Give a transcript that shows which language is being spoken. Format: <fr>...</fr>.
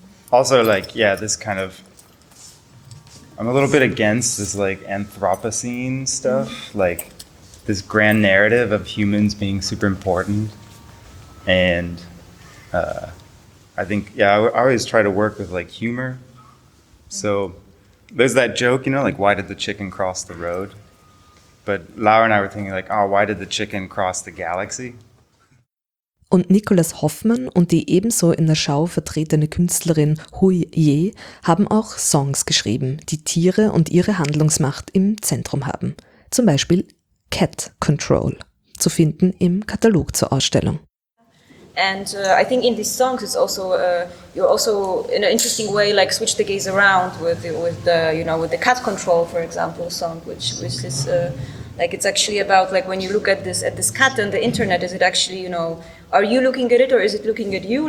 <en>Also, like, yeah, this kind of, I'm a little bit against this like Anthropocene stuff, like this grand narrative of humans being super important. And I think, yeah, I always try to work with like humor. So there's that joke, you know, like, why did the chicken cross the road? But Laura and I were thinking like, oh, why did the chicken cross the galaxy?</en> <de>Und Nicolas Hoffmann und die ebenso in der Schau vertretene Künstlerin Hui Ye haben auch Songs geschrieben, die Tiere und ihre Handlungsmacht im Zentrum haben. Zum Beispiel Cat Control, zu finden im Katalog zur Ausstellung.</de> <en>And I think in these songs it's also you're also in an interesting way like switch the gaze around with the Cat Control, for example, song which is like it's actually about like when you look at this cat on the internet, is it actually, you know, are you looking at it or is it looking at you?</en>